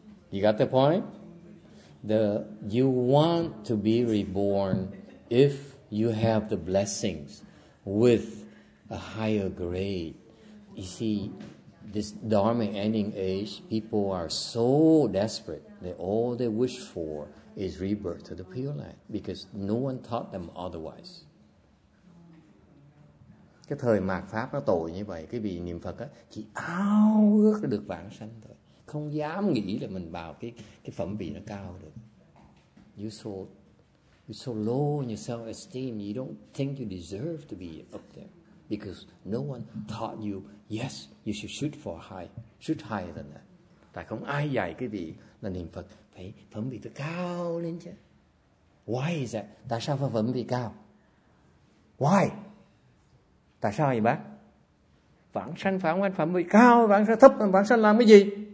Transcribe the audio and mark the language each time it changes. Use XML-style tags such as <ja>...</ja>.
<en>You got the point? You want to be reborn if you have the blessings with a higher grade. You see, this Dharma ending age, people are so desperate that all they wish for is rebirth to the Pure Land because no one taught them otherwise.</en> <vi>Cái thời mạt pháp nó tồi như vậy, cái vị niệm Phật á chỉ ao ước được vãng sanh thôi, không dám nghĩ là mình vào cái phẩm vị nó cao được.</vi> <en>You're so low in your self esteem, you don't think you deserve to be up there because no one taught you. Yes, you should shoot higher than that.</en> <vi>Tại không ai dạy cái vị là niệm Phật phải phẩm vị cao lên chứ.</vi> <en>Why is that?</en> <vi>Tại sao phải phẩm vị cao?</vi> <en>Why?</en> <vi>Tại sao vậy bác? Vãng sanh phải không anh? Phẩm vị cao, vãng sanh thấp, vãng sanh làm cái gì?</vi>